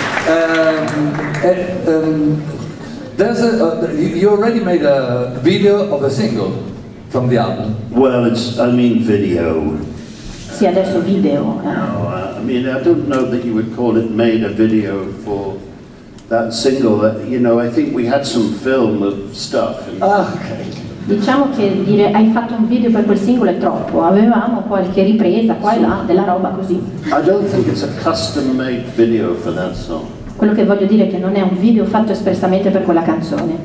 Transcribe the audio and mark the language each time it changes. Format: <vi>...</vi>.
<en>You already made a video of a single from the album. Well, it's, I mean, video.</en> <it>Sì, adesso video.</it> <en>No, I mean, I don't know that you would call it made a video for that single. You know, I think we had some film of stuff. Okay.</en> <it>Diciamo che dire hai fatto un video per quel singolo è troppo. Avevamo qualche ripresa qua e là della roba così.</it> <en>I don't think it's a custom-made video for that song.</en> <it>Quello che voglio dire è che non è un video fatto espressamente per quella canzone.</it>